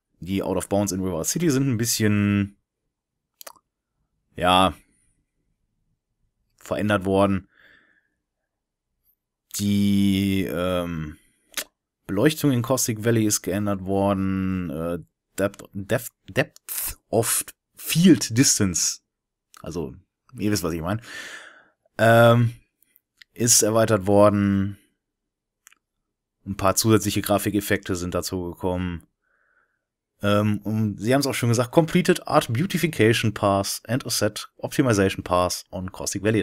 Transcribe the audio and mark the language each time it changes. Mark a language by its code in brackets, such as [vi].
[de] Die Out of Bounds in River City sind ein bisschen, ja, verändert worden. Die Beleuchtung in Caustic Valley ist geändert worden. [en] Depth of Field Distance. [de] Also, ihr wisst, was ich meine. Ist erweitert worden. Ein paar zusätzliche Grafikeffekte sind dazu gekommen. Und sie haben es auch schon gesagt: [en] Completed Art Beautification Pass and Asset Optimization Pass on Caustic Valley.